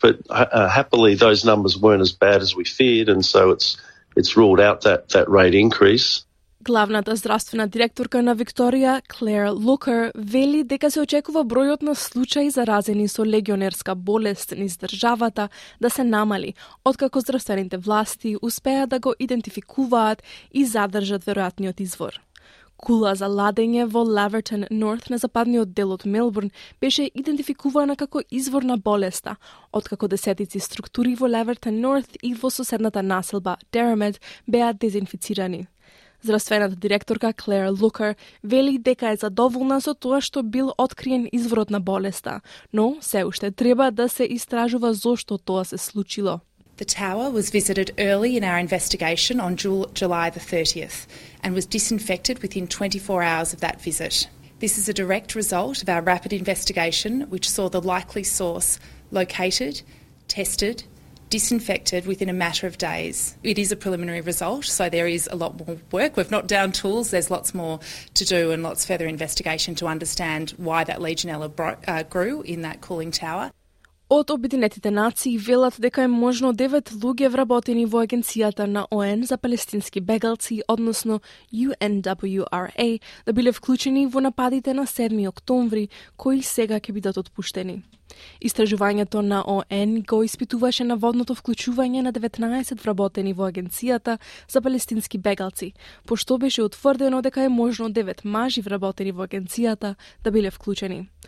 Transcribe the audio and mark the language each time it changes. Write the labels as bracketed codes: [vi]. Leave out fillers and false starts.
[en] But happily, those numbers weren't as bad as we feared, and so it's ruled out that rate increase. [mk] Главната здравствена директорка на Викторија, Клер Лукер, вели дека се очекува бројот на случаи заразени со легионерска болест низ државата да се намали, откако здравствените власти успеа да го идентификуваат и задржат веројатниот извор. Кула за ладење во Лавертон Норт на западниот дел од Мелбурн беше идентификувана како извор на болеста, откако десетици структури во Лавертон Норт и во соседната населба Дерамед беа дезинфицирани. Здравствената директорка Клер Лукер вели дека е задоволна со тоа што бил откриен изворот на болеста, но се уште треба да се истражува зошто тоа се случило. [en] The tower was visited early in our investigation on July the 30th and was disinfected within 24 hours of that visit. This is a direct result of our rapid investigation which saw the likely source located, tested, disinfected within a matter of days. It is a preliminary result, so there is a lot more work. We've not down tools. There's lots more to do and lots further investigation to understand why that Legionella grew in that cooling tower. [mk] Од Обединетите нации велат дека е можно 9 луѓе вработени во агенцијата на ОН за палестински бегалци, односно UNWRA, да биле вклучени во нападите на 7 октомври, кои сега ќе бидат отпуштени. Истражувањето на ОН го испитуваше наводното вклучување на 19 вработени во агенцијата за палестински бегалци, пошто беше утврдено дека е можно 9 мажи вработени во агенцијата да биле вклучени.